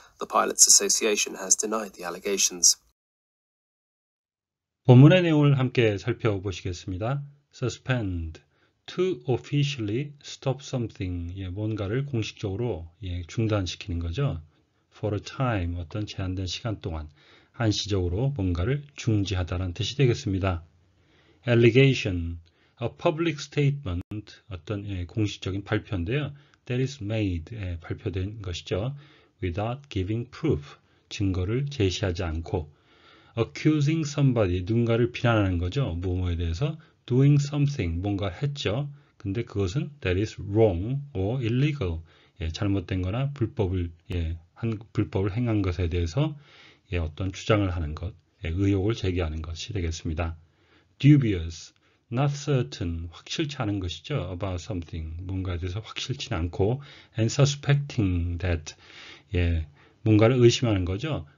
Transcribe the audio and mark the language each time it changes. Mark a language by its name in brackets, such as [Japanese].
[English] The Pilots Association has denied the allegations. [Korean] 본문의 내용을 함께 살펴보시겠습니다. Suspend. [English] To officially stop something, [Korean] 예, 뭔가를 공식적으로 예, 중단시키는 거죠. [English] For a time, [Korean] 어떤 제한된 시간 동안 한시적으로 뭔가를 중지하다라는 뜻이 되겠습니다. [English] Allegation, a public statement, [Korean] 어떤 예, 공식적인 발표인데요. [English] That is made, [Korean] 예, 발표된 것이죠. [English] Without giving proof, [Korean] 증거를 제시하지 않고. [English] Accusing somebody, [Korean] 누군가를 비난하는 거죠. 뭐뭐에 대해서. [English] Doing something, [Korean] 뭔가 했죠. 근데 그것은 [English] that is wrong or illegal. [Korean] 예, 잘못된 거나 불법을, 예, 한, 불법을 행한 것에 대해서 예, 어떤 주장을 하는 것, 예, 의혹을 제기하는 것이 되겠습니다. [English] Dubious, not certain, [Korean] 확실치 않은 것이죠. [English] About something, [Korean] 뭔가에 대해서 확실치 않고. [English] And suspecting that, [Korean] 예, 뭔가를 의심하는 거죠.